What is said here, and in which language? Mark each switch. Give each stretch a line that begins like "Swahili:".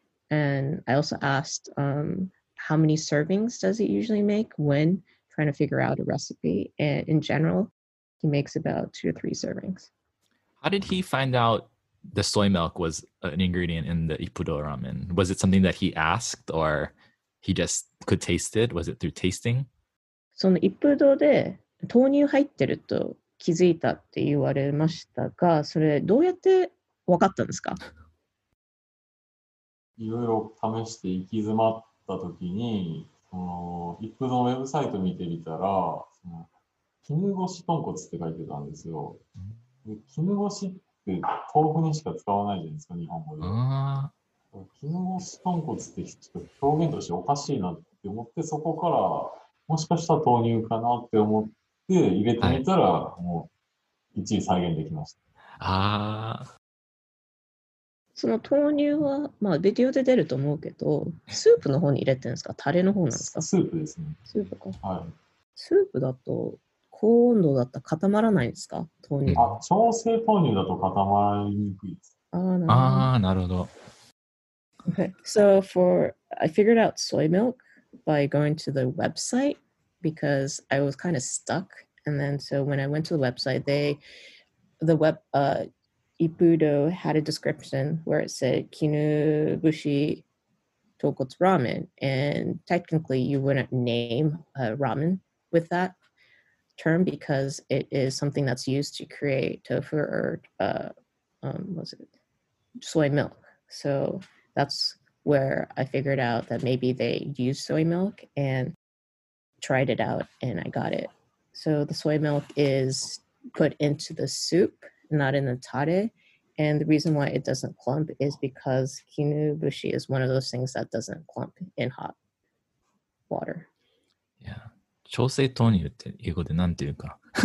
English: And I also asked, how many servings does he usually make when trying to figure out a recipe? And in general, he makes about 2 or 3 servings. How did he find out the soy milk was an ingredient in the Ippudo ramen? Was it something that he asked or he just could taste it? Was it through tasting?
Japanese: その一風堂で豆乳入ってると気づいたって言われましたが、それどうやって分かったんですか？いろいろ試して行き詰まった時に、Ippudo のウェブサイト見てみたら、絹ごし豚骨って書いてたんですよ。で、絹ごしって豆腐にしか使わないじゃないですか、日本語で。絹ごし豚骨ってちょっと表現としておかしいなって思って、そこからもしかしたら豆乳かなって思って入れてみたら、もう一時再現できました。その豆乳は、ビデオで出ると思うけど、スープの方に入れてるんですか？タレの方なんですか？スープですね。スープか。スープだと、高温度だったら固まらないんですか？豆乳。調整豆乳だと固まりにくいです。なるほど。なるほど。
English: Okay, so for, I figured out soy milk by going to the website because I was kind of stuck. And then, so when I went to the website, Ippudo had a description where it said Kinubushi Tokuts Ramen. And technically, you wouldn't name a ramen with that term because it is something that's used to create tofu or, was it soy milk? So that's where I figured out that maybe they use soy milk and tried it out and I got it. So the soy milk is put into the soup, not in the tare. And the reason why it doesn't clump is because kinubushi is one of those things that doesn't clump in hot water.
Japanese: 調整豆乳って英語でなんていうか。